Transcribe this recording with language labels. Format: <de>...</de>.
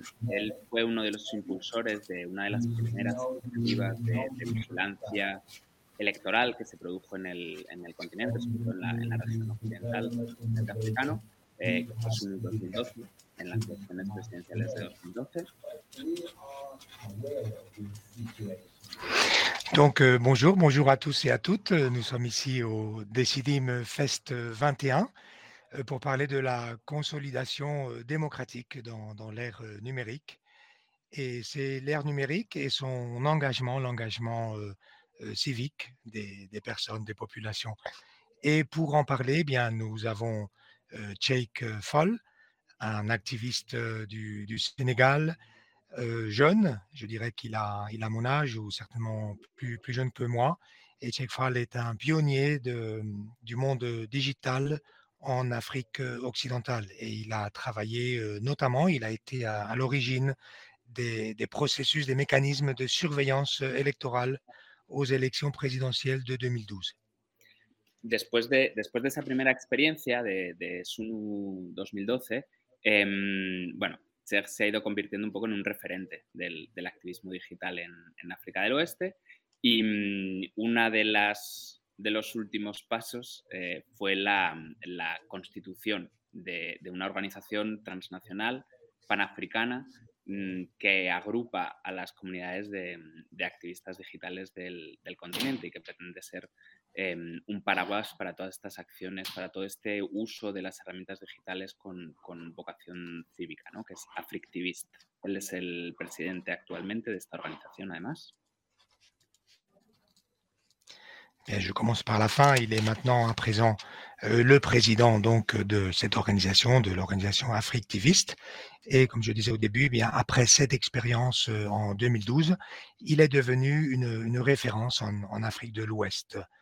<es>Él fue uno de los impulsores de una de las primeras iniciativas de vigilancia electoral que se produjo en el continente, sobre todo en la región occidental del africano, que fue en 2012. En las elecciones presidenciales de 2012.</es> <fr>Donc bonjour à tous et à toutes. Nous sommes ici au Decidim Fest 21 pour parler de la consolidation démocratique dans l'ère numérique. Et c'est l'ère numérique et son engagement, l'engagement civique des personnes, des populations. Et pour en parler, eh bien nous avons Cheikh Fall, un activiste du Sénégal, jeune, je dirais qu'il a mon âge ou certainement plus jeune que moi. Et Cheikh Fall est un pionnier du monde digital en Afrique occidentale. Et il a travaillé notamment, il a été à l'origine des processus, des mécanismes de surveillance électorale aux élections présidentielles de 2012.</fr> <es>Después de esa primera experiencia de SUNU 2012, bueno, Cheikh se ha ido convirtiendo un poco en un referente del activismo digital en África del Oeste, y una de los últimos pasos fue la constitución de una organización transnacional panafricana que agrupa a las comunidades de activistas digitales del continente y que pretende ser un paraguas para todas estas acciones, para todo este uso de las herramientas digitales con vocación cívica, ¿no? Que es Africtivist. Él es el presidente actualmente de esta organización, además.</es> <fr>Bien, je commence par la fin. Il est maintenant à présent le président donc de cette organisation, de l'organisation Africtivist. Et comme je disais au début, bien après cette expérience en 2012, il est devenu une référence en Afrique de l'Ouest.</fr>